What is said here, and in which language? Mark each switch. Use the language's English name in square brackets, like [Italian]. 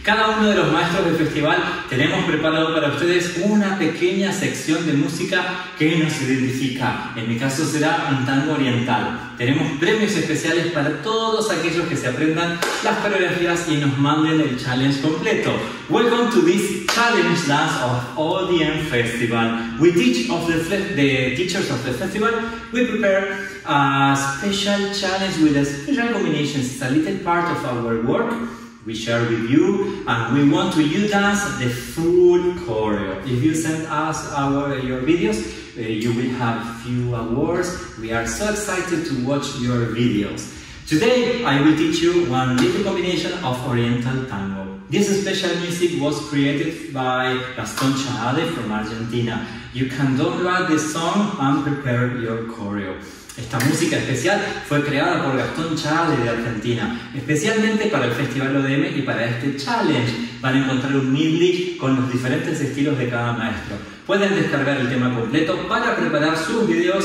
[Spanish] Cada uno de los maestros del festival tenemos preparado para ustedes una pequeña sección de música que nos identifica. En mi caso será un tango oriental. Tenemos premios especiales para todos aquellos que se aprendan las coreografías y nos manden el challenge completo. [English] Welcome to this challenge dance of ODM Festival. We teach of the teachers of the festival. We prepare a special challenge with a special combination. It's a little part of our work. We share with you, and we want to you dance the full choreo. If you send us your videos, you will have few awards. We are so excited to watch your videos. Today, I will teach you one little combination of Oriental Tango. This special music was created by Gaston Chahade from Argentina. You can download the song and prepare your choreo. [Spanish] Esta música especial fue creada por Gastón Chahade de Argentina, especialmente para el Festival ODM y para este challenge. Van a encontrar un midi con los diferentes estilos de cada maestro. Pueden descargar el tema completo para preparar sus videos.